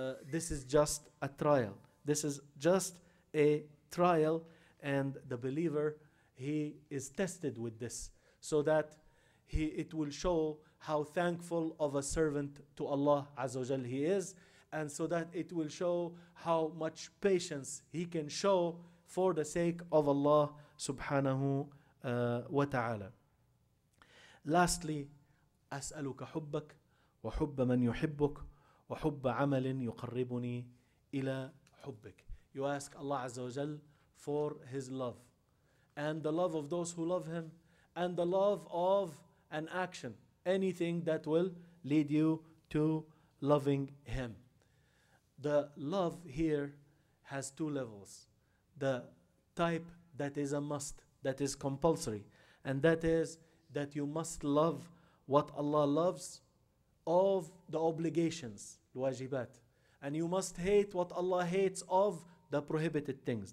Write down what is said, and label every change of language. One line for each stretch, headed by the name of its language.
English: This is just a trial. This is just a trial, and the believer, he is tested with this so that it will show how thankful of a servant to Allah Azza wa Jal he is, and so that it will show how much patience he can show for the sake of Allah subhanahu wa ta'ala.
Arabic: Lastly, أسألك حبك وحب من يحبك وحب عمل يقربني إلى حبك.
English: You ask Allah Azza wa Jal for His love and the love of those who love Him and the love of an action, anything that will lead you to loving Him. The love here has two levels. The type that is a must, that is compulsory, and that is that you must love what Allah loves of the obligations, الواجبات, and you must hate what Allah hates of the prohibited things.